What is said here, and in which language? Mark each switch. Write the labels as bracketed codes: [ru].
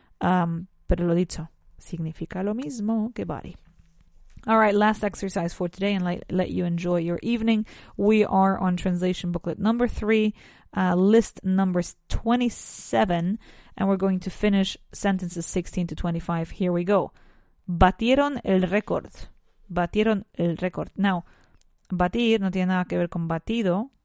[es] Pero lo dicho, significa lo mismo que body. [en] All right, last exercise for today, and let you enjoy your evening. We are on translation booklet number 3, list number 27, and we're going to finish sentences 16 to 25. Here we go. [es] Batieron el récord. Batieron el récord. Now, batir no tiene nada que ver con batido.